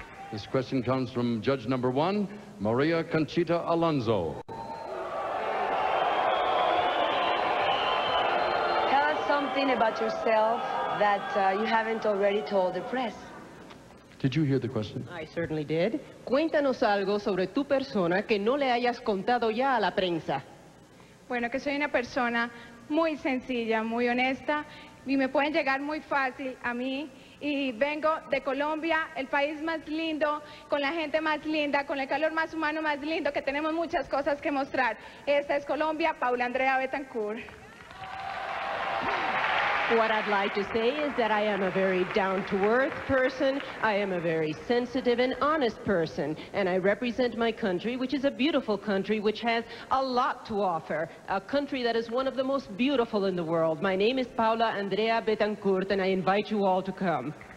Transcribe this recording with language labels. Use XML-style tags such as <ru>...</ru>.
<en>This question comes from judge number 1, Maria Conchita Alonso. Tell us something about yourself that you haven't already told the press. Did you hear the question? I certainly did.</en> <es>Cuéntanos algo sobre tu persona que no le hayas contado ya a la prensa. Bueno, que soy una persona muy sencilla, muy honesta, y me pueden llegar muy fácil a mí. Y vengo de Colombia, el país más lindo, con la gente más linda, con el calor más humano más lindo, que tenemos muchas cosas que mostrar. Esta es Colombia, Paula Andrea Betancur.</es> <en>What I'd like to say is that I am a very down-to-earth person. I am a very sensitive and honest person. And I represent my country, which is a beautiful country, which has a lot to offer. A country that is one of the most beautiful in the world. My name is Paula Andrea Betancur, and I invite you all to come.</en>